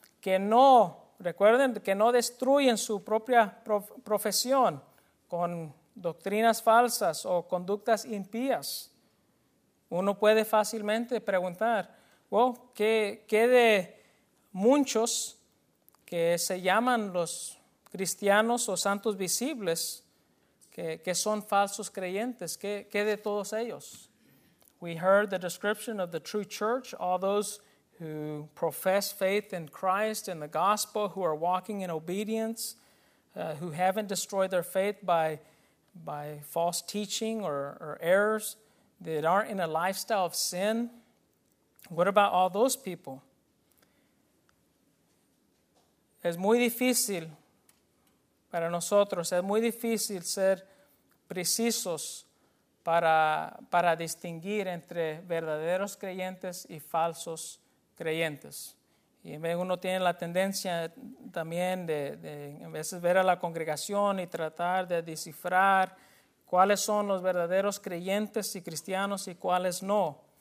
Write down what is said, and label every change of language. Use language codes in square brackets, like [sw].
[es] Que no, recuerden, que no destruyen su propia profesión con doctrinas falsas o conductas impías. Uno puede fácilmente preguntar, ¿qué de muchos que se llaman los cristianos o santos visibles, que son falsos creyentes? ¿Qué de todos ellos? [en] We heard the description of the true church, all those who profess faith in Christ and the gospel, who are walking in obedience, who haven't destroyed their faith by false teaching or errors, that aren't in a lifestyle of sin. What about all those people? [es] Es muy difícil para nosotros, es muy difícil ser precisos para distinguir entre verdaderos creyentes y falsos creyentes. Y en vez uno tiene la tendencia también de a veces ver a la congregación y tratar de descifrar cuáles son los verdaderos creyentes y cristianos y cuáles no.